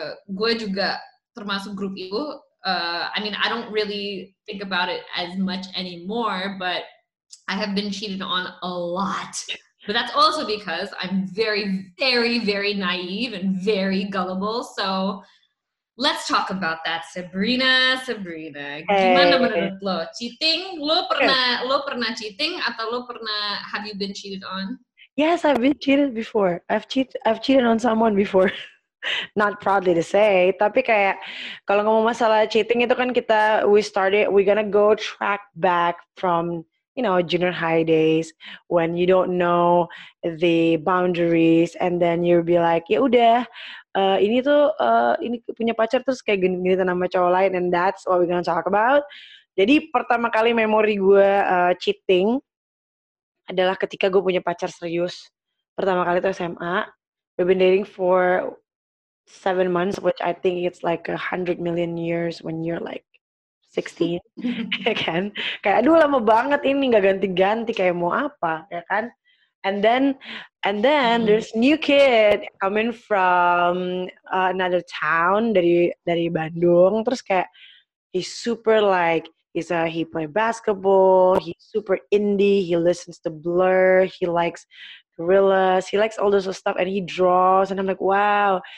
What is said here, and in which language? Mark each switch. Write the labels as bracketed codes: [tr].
[id] Gua juga termasuk grup itu. [en] I don't really think about it as much anymore, but I have been cheated on a lot. But that's also because I'm very, very, very naive and very gullible. So let's talk about that. Sabrina. Hey. [id] Gimana menurut lo? Cheating? Lo pernah cheating? Atau [en] have you been cheated on? Yes, I've been cheated before. I've cheated on someone before. Not proudly to say, [id] tapi kayak kalau ngomong masalah cheating itu kan [en] we're gonna go track back from, you know, junior high days when you don't know the boundaries and then you'll be like, [id] ya udah, ini punya pacar terus kayak gini-gini sama cowok lain [en] and that's what we're gonna talk about. [id] Jadi pertama kali memori gue cheating adalah ketika gue punya pacar serius pertama kali itu SMA. [en] We've been dating for 7 months, which I think it's like 100 million years when you're like 16, [id] ya kan? Kayak, aduh lama banget ini, gak ganti-ganti, kayak mau apa, ya kan? [en] And then there's new kid coming from another town, [id] dari Bandung, terus kayak, [en] he's super like, he play basketball, he's super indie, he listens to Blur, he likes Gorillaz, he likes all those stuff, and he draws, and I'm like, wow.